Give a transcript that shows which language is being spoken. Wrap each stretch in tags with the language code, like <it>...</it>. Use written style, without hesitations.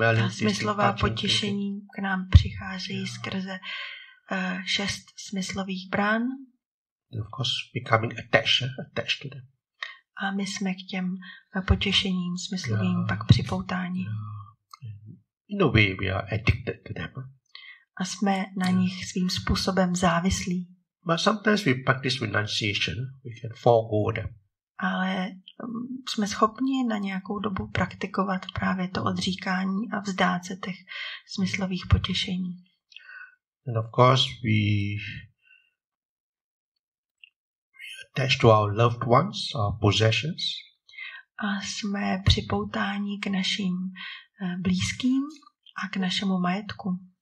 <cs>Smyslová potěšení k nám přicházejí skrze šest smyslových brán.</cs> <en>Of course, becoming attached to them.</en> <cs>A my jsme k těm potěšením smyslovým pak připoutání.</cs> <en>In a way, we are addicted to them.</en> <cs>A jsme na nich svým způsobem závislí.</cs> <en>But sometimes we practice renunciation, we can forego them.</en> <cs>Ale jsme schopni na nějakou dobu praktikovat právě to odříkání a vzdát se těch smyslových potěšení.</cs> <en>And of course, we attach to our loved ones, our possessions.</en> <cs>A jsme připoutáni k našim blízkým a k našemu majetku.</cs>